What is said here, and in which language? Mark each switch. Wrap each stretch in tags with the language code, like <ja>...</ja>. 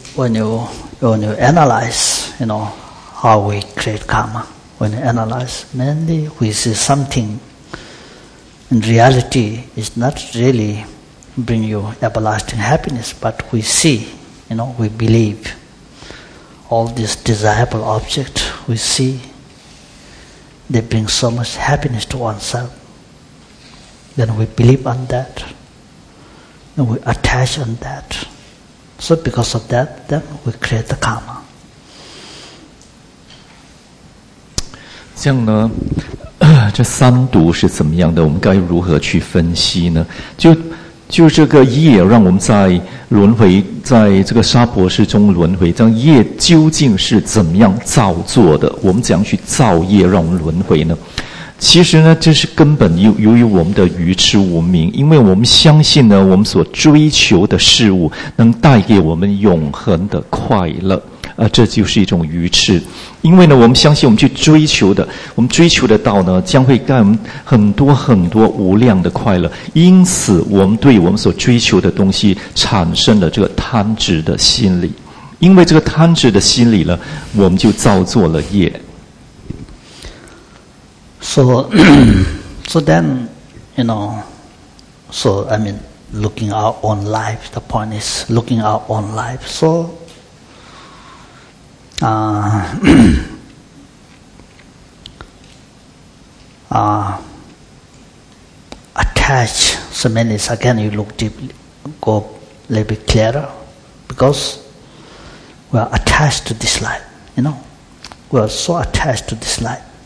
<en>When you analyze, you know, how we create karma, when you analyze, mainly we see something in reality is not really bring you everlasting happiness, but we see, you know, we believe all these desirable objects, we see they bring so much happiness to oneself. Then we believe on that, and we attach on that. So because of that, then we create the karma.</en> <zh>这样呢，这三毒是怎么样的？我们该如何去分析呢？就这个业让我们在轮回，在这个娑婆世中轮回，这样业究竟是怎么样造作的？我们怎样去造业让我们轮回呢？其实呢，这是根本由于我们的愚痴无明，因为我们相信呢，我们所追求的事物能带给我们永恒的快乐，这就是一种愚痴。因为呢，我们相信我们去追求的，我们追求的道呢，将会带我们很多很多无量的快乐。因此，我们对我们所追求的东西产生了这个贪执的心理。因为这个贪执的心理呢，我们就造作了业。</zh> <en>So, so then, you know, so I mean, looking our own life, the point is looking our own life. So, attach, so many, again, you look deep, go a little bit clearer, because we are attached to this life, you know, we are so attached to this life.</en>